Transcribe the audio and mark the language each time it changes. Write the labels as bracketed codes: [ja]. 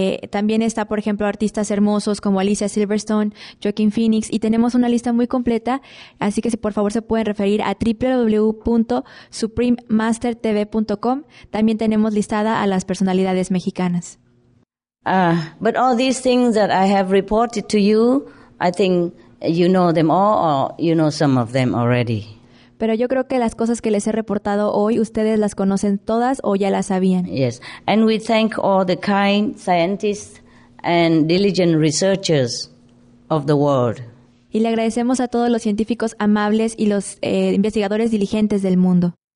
[es] También está, por ejemplo, artistas hermosos como Alicia Silverstone, Joaquin Phoenix. Y tenemos una lista muy completa, así que si por favor se pueden referir a www.suprememastertv.com. También tenemos listada a las personalidades mexicanas. [en] But all these things that I have reported to you, I think you know them all, or you know some of them already. [es] Pero yo creo que las cosas que les he reportado hoy, ustedes las conocen todas o ya las sabían. [en] Yes, and we thank all the kind scientists and diligent researchers of the world. [es] Y le agradecemos a todos los científicos amables y los investigadores diligentes del mundo.